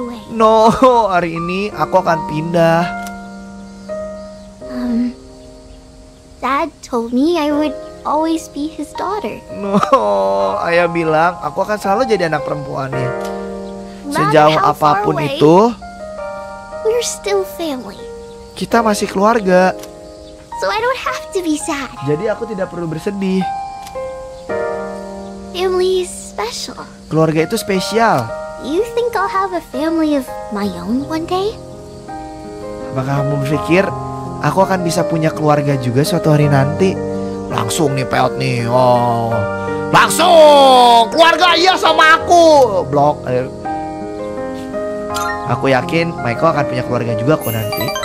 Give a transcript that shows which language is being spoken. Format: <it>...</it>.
<id>No, hari ini aku akan pindah.</id> <en>Dad told me I would always be his daughter.</en> <id>No, ayah bilang aku akan selalu jadi anak perempuannya. Sejauh apapun away, itu,</id> <en>we're still family.</en> <id>Kita masih keluarga.</id> <en>So I don't have to be sad.</en> <id>Jadi aku tidak perlu bersedih.</id> <en>Family is special.</en> <id>Keluarga itu spesial.</id> <en>You think I'll have a family of my own one day?</en> <id>Apakah kamu berpikir aku akan bisa punya keluarga juga suatu hari nanti? Langsung nih peot nih. Oh. Langsung keluarga iya sama aku. Blok. Aku yakin Maiko akan punya keluarga juga kok nanti.</id>